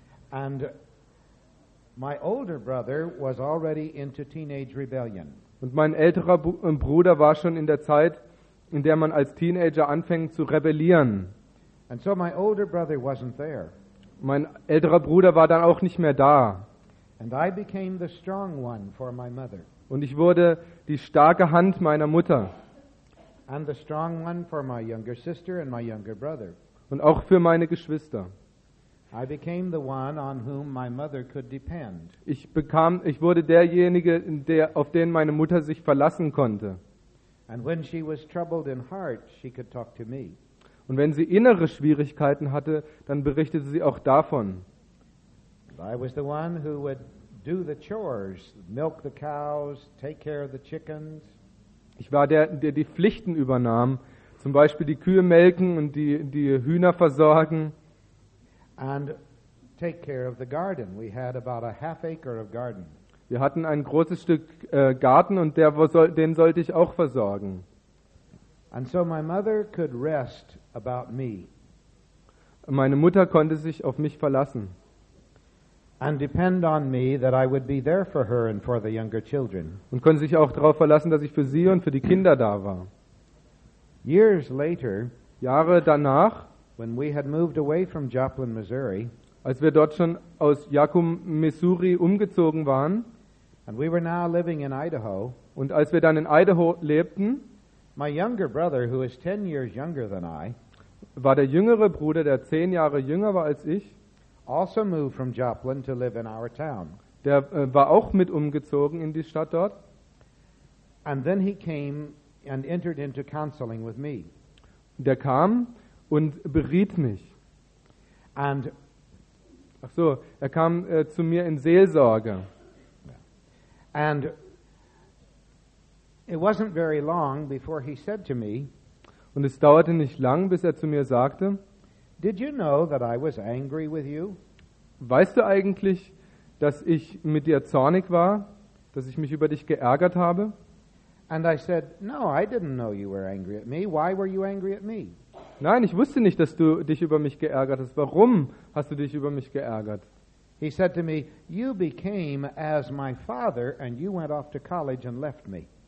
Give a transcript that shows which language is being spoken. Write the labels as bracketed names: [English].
[English] And my older brother was already into teenage rebellion. [German] Und mein älterer Bruder war schon in der Zeit, in der man als Teenager anfängt zu rebellieren. [English] And so my older brother wasn't there. [German] Mein älterer Bruder war dann auch nicht mehr da. [English] And I became the strong one for my mother. [German] Und ich wurde die starke Hand meiner Mutter. [English] And the strong one for my younger sister and my younger brother. [German] Und auch für meine Geschwister. [English] I became the one on whom my mother could depend. [German] Ich wurde derjenige, auf den meine Mutter sich verlassen konnte. [English] And when she was troubled in heart, she could talk to me. [German] Und wenn sie innere Schwierigkeiten hatte, dann berichtete sie auch davon. [English] I was the one who would do the chores, milk the cows, take care of the chickens. [German] Ich war der die Pflichten übernahm, zum Beispiel die Kühe melken und die Hühner versorgen. [English] And take care of the garden. We had about a half acre of garden. [German] Wir hatten ein großes Stück Garten und den sollte ich auch versorgen. [English] And so my mother could rest about me. [German] Meine Mutter konnte sich auf mich verlassen. [English] And depend on me that I would be there for her and for the younger children. [German] Und konnte sich auch darauf verlassen, dass ich für sie und für die Kinder da war. [English] Years later, [German] Jahre danach, [English] when we had moved away from Joplin, Missouri, [German] als wir dort schon aus Yakum, Missouri umgezogen waren, [English] and we were now living in Idaho, [German] und als wir dann in Idaho lebten, [English] my younger brother, who is 10 years younger than I, [German] war der jüngere Bruder, der 10 Jahre jünger war als ich, [English] also moved from Joplin to live in our town. [German] Der war auch mit umgezogen in die Stadt dort. [English] And then he came and entered into counseling with me. [German] Der kam und beriet mich. [English] And [German] ach so, er kam zu mir in Seelsorge. [English] And it wasn't very long before he said to me, [German] und es dauerte nicht lang, bis er zu mir sagte, [English] did you know that I was angry with you? [German] Weißt du eigentlich, dass ich mit dir zornig war, dass ich mich über dich geärgert habe? [English] And I said, no, I didn't know you were angry at me. Why were you angry at me? [German] Nein, ich wusste nicht, dass du dich über mich geärgert hast. Warum hast du dich über mich geärgert? [English] He said to me, you became as my father and you went off to college and left me.